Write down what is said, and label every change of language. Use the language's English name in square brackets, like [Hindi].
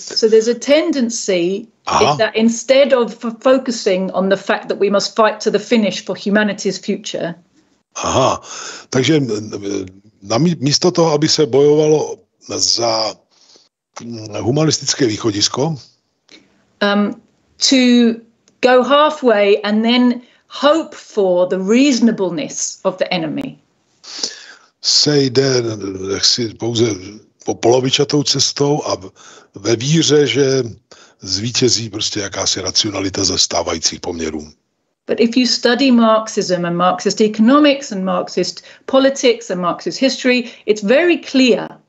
[English] So there's a tendency that instead of focusing on the fact that we must fight to the finish for humanity's future. [Czech] Aha, takže místo toho, aby se bojovalo za humanistické východisko. [English] To go halfway and then hope for the reasonableness of the enemy. [Czech] Se jde jaksi pouze po polovičatou cestou a ve víře, že zvítězí prostě jakási racionalita ze stávajících poměrů. [English] But if you study Marxism and Marxist economics and Marxist politics and Marxist history, it's very clear.